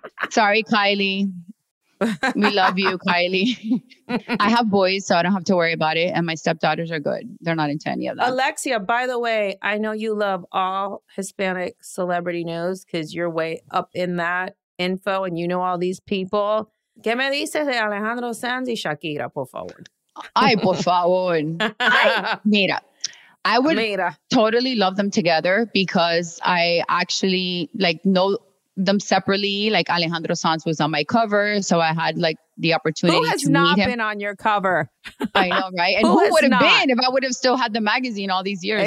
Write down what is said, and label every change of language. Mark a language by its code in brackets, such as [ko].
[en] Sorry, Kylie. We love you, Kylie. I have boys, so I don't have to worry about it. And my stepdaughters are good. They're not into any of that. Alexia, by the way, I know you love all Hispanic celebrity news because you're way up in that info and you know all these people. [es] ¿Qué me dices de Alejandro Sanz y Shakira, por favor? Ay, por favor. Mira. [en] I would totally love them together because I actually, like, know them separately. Like Alejandro Sanz was on my cover, so I had like the opportunity to meet him. Who has not been on your cover? I know, right? And who would have been if I would have still had the magazine all these years,